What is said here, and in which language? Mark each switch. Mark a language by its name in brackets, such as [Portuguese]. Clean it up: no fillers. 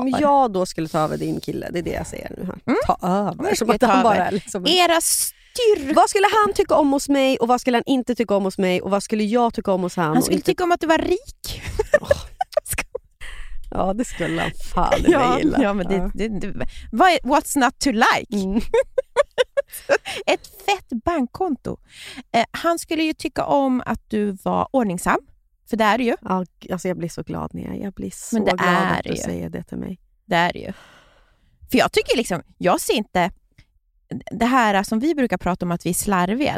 [Swedish] Om jag då skulle ta över din kille, det är det jag säger nu här. Mm. Ta över. Som att han bara är liksom... Era styrkor. Vad skulle han tycka om hos mig och vad skulle han inte tycka om hos mig och vad skulle jag tycka om hos han? Han skulle inte... tycka om att du var rik. Ja, det skulle han fan inte gilla. Ja, men det, [English] what's not to like? [Swedish] Mm. Ett fett bankkonto. Han skulle ju tycka om att du var ordningsam. För det är det ju. Ja, alltså jag blir så glad när jag blir så glad att du ju. Säger det till mig. Det är det ju. För jag tycker liksom, jag ser inte det här som vi brukar prata om att vi är slarviga.